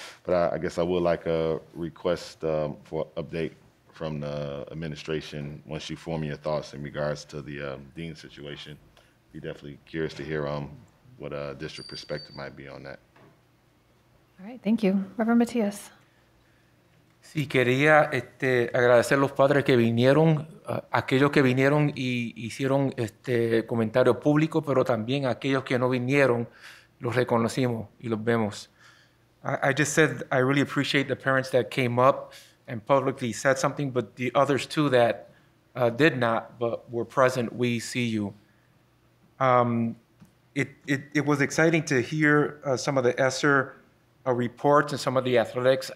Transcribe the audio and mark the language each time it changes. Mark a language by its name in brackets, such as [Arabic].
[English] But I guess I would like a request for update from the administration. Once you form your thoughts in regards to the dean situation, be definitely curious to hear what a district perspective might be on that. All right, thank you. Reverend Matias. [Spanish] Sí, quería agradecer a los padres que vinieron, aquellos que vinieron y hicieron comentario público, pero también aquellos que no vinieron, los reconocimos y los vemos. [English] I just said I really appreciate the parents that came up and publicly said something, but the others too that did not, but were present, we see you. It was exciting to hear some of the ESSER reports and some of the athletics.